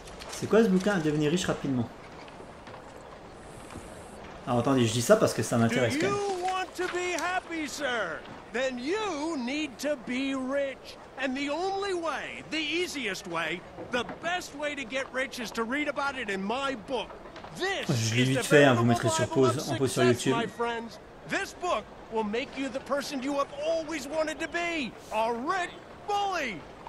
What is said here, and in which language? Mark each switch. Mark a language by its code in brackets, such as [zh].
[fr] C'est quoi ce bouquin, devenir riche rapidement? Alors attendez, je dis ça parce que ça m'intéresse quand même. [en] Do you want to be happy, sir? Then you need to be rich. And the only way, the easiest way, the best way to get rich is to read about it in my book. [fr] Je l'ai vite fait, hein, vous mettrez sur pause, en pause sur YouTube. [en] This book will make you the person you have always wanted to be, a rich bully.